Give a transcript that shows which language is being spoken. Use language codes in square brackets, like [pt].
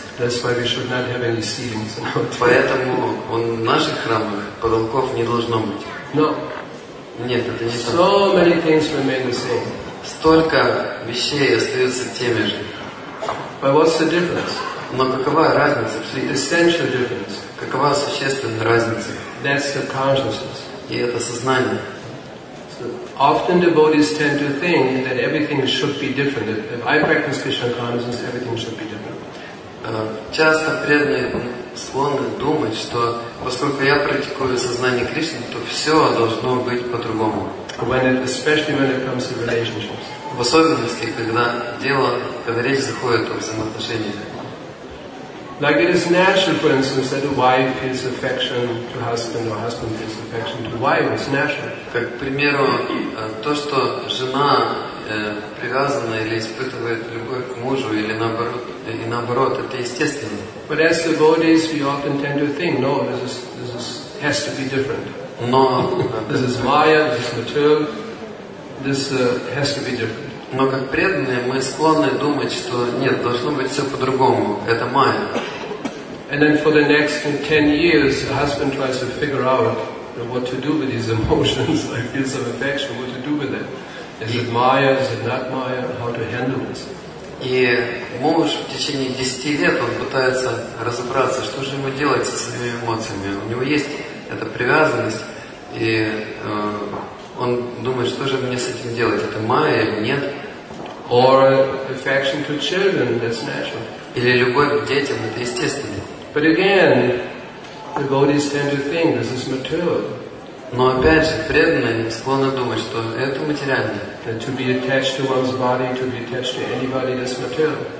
[en] That's why we should not have any ceilings. [ru] Поэтому в наших храмах потолков не должно быть. [en] No. [ru] Нет, это не так. [en] So many things remain the same. [ru] Столько вещей остаются теми же. [en] But what's the difference? [ru] Но какова разница? [en] Essential difference. [ru] Какова существенная разница? [en] That's the consciousness. [ru] И это сознание. [en] Often devotees tend to think that everything should be different. If I practice Krishna consciousness, everything should be different. [ru] Часто преданные склонны думать, что поскольку я практикую сознание Кришны, то все должно быть по-другому. [en] Especially when it comes to relationships. [ru] В особенности, когда дело, когда речь заходит о взаимоотношениях. [en] Like it is natural, for instance, that a wife feels affection to husband, or husband feels affection to wife. It's natural. [ru] Как к примеру, то, что жена привязана или испытывает любовь к мужу, или наоборот, и наоборот, это естественно. [en] But as devotees, we often tend to think, no, this has to be different. [ru] Но [en] this is Maya, this is material. This has to be different. [ru] Но как преданные мы склонны думать, что нет, должно быть все по-другому. Это майя. [en] And then for the next 10 years, the husband tries to figure out what to do with these emotions, like feel some affection, what to do with it. Is it майя? Is it not майя? How to handle this? [ru] И муж в течение 10 лет он пытается разобраться, что же ему делать со своими эмоциями. У него есть эта привязанность и он думает, что же мне с этим делать? Это майя или нет? [en] Or affection to children, that's natural. [ru] Или любовь к детям, это естественно. [en] But again, the devotees tend to think this is material. [ru] Но опять же, преданные склонны думать, что это материально. [en] That to be attached to one's body, to be attached to anybody, that's material.